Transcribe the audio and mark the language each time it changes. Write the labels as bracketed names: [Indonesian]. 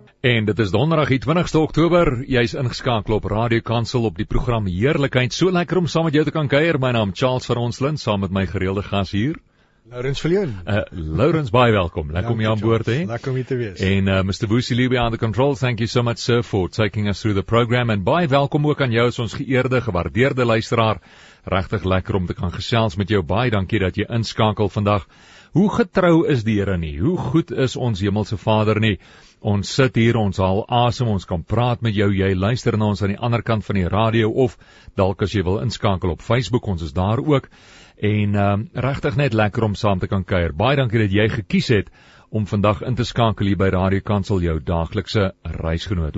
[Afrikaans] En dit is donderdag die 20ste Oktober, jy is ingeskakel op Radio Kansel op die program Heerlikheid. So lekker om saam met jou te kan kuier, my naam Charles van Onslin, saam met my gereelde gas hier. Laurens Verleun. Laurens, baie welkom. Lekker om jou aan boord te hê. Lekker om hier te wees. [English] En Mr. Woosie Lee behind the controls, thank you so much sir for taking us through the program. [Afrikaans] En baie welkom ook aan jou as ons geëerde, gewaardeerde luisteraar. Regtig lekker om te kan gesels met jou. Baie dankie dat jy inskakel vandag. Hoe getrou is die Here nie? Hoe goed is ons hemelse Vader nie? Ons sit hier, ons haal asem, ons kan praat met jou, jy luister na ons aan die ander kant van die radio of dalk as jy wil inskakel op Facebook, ons is daar ook. En regtig net lekker om saam te kan kuier. Baie dankie dat jy gekies het om vandag in te skakel hier by Radio Kansel, jou daaglikse reisgenoot.